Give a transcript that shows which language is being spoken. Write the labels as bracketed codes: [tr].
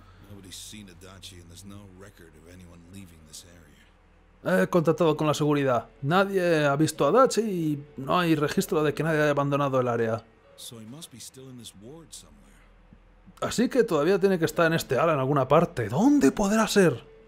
[en] Nobody's seen Adachi and there's no record of anyone leaving this area. [es] He contactado con la seguridad. Nadie ha visto a Adachi y no hay registro de que nadie haya abandonado el área. [en] So he must be still in this ward somewhere. [es] Así que todavía tiene que estar en este ala en alguna parte. ¿Dónde podrá ser?